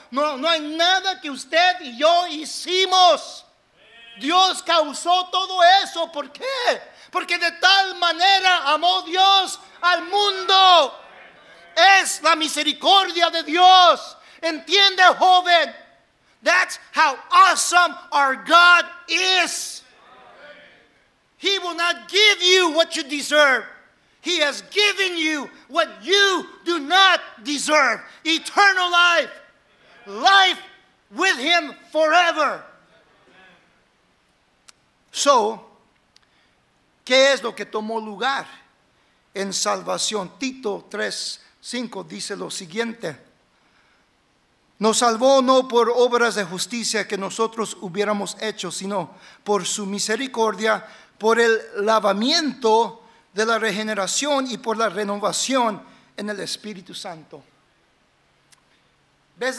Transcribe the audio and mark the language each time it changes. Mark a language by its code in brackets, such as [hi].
[es] No, no hay nada que usted y yo hicimos. Dios causó todo eso. ¿Por qué? Porque de tal manera amó Dios al mundo. Es la misericordia de Dios. ¿Entiende, joven? [en] That's how awesome our God is. He will not give you what you deserve. He has given you what you do not deserve. Eternal life. Life with Him forever. So, [es] ¿Qué es lo que tomó lugar en salvación? Tito 3:5 dice lo siguiente: nos salvó no por obras de justicia que nosotros hubiéramos hecho, sino por su misericordia, por el lavamiento de la regeneración y por la renovación en el Espíritu Santo. ¿Ves?